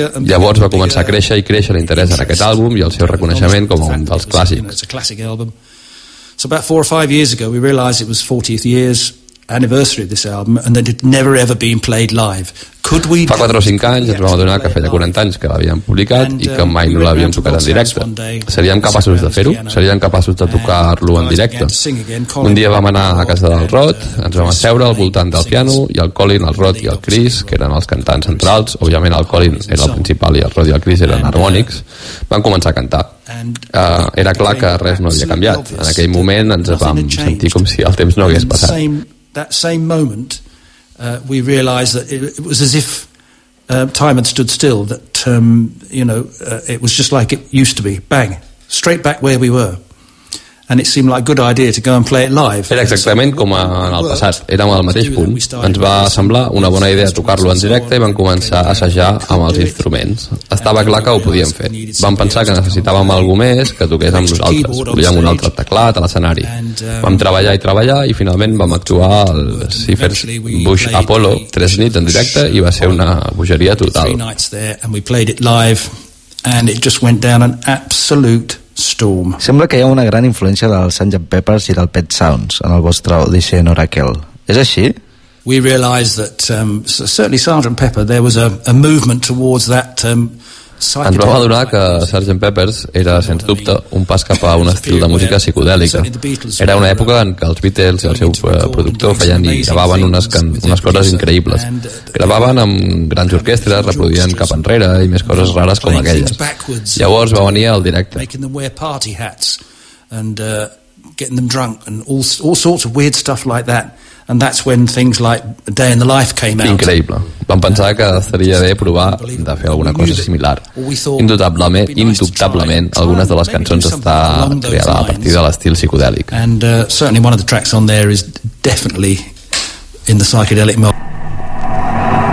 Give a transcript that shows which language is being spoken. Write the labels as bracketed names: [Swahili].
[Catalan] Llavors va començar a créixer i créixer l'interès en aquest àlbum i el seu reconeixement com un dels clàssics. [English] So about 4 or 5 years ago we realized it was 40th year's anniversary of this album and that it never ever been played live. Could we [Catalan] fa 4 o 5 anys ens vam adonar que feia 40 anys que l'havíem publicat i que mai no l'havíem tocat en directe. Seríem capaços de fer-ho? Seríem capaços de tocar-lo en directe? Un dia vam anar a casa del Rod, ens vam asseure al voltant del piano i el Colin, el Rod i el Chris, que eren els cantants centrals, òbviament el Colin era el principal i el Rod i el Chris eren harmònics, van començar a cantar. Era clar que res no havia canviat. En aquell moment ens vam sentir com si el temps no hagués passat. [English] That same moment we realized that it was as if time had stood still, that it was just like it used to be, bang, straight back where we were, and it seemed like a good idea to go and play it live. [Catalan] Era exactament com en el passat, érem al mateix punt, ens va semblar una bona idea tocar-lo en directe i vam començar a assajar amb els instruments. Estava clar que ho podíem fer, vam pensar que necessitàvem algú més que toqués amb nosaltres, volíem un altre teclat a l'escenari. Vam treballar i treballar i finalment vam actuar al Cypher's Bush Apollo 3 nits en directe i va ser una bogeria total. [English] And it just went down an absolute storm. [Catalan] Sembla que hi ha una gran influència del Sgt. Pepper's i del Pet Sounds en el vostre Odyssey en Oracle. És així? [English] We realized that certainly Sgt. Pepper, there was a movement towards that [Catalan] ens vam adonar que Sgt. Pepper's era, sens dubte, un pas cap a un estil de música psicodèlica. Era una època en què els Beatles i el seu productor feien i gravaven unes coses increïbles. Gravaven amb grans orquestres, reproduïen cap enrere i més coses rares com aquelles. Llavors va venir el directe. [English] Making them wear party hats and getting them drunk and all sorts of weird stuff like that. And that's when things like A Day in the Life came out. [Catalan] Increïble. Vam pensar que estaria bé provar de fer alguna cosa similar. Indubtablement, algunes de les cançons està creada a partir de l'estil psicodèlic. [English] And certainly one of the tracks on there is definitely in the psychedelic mode.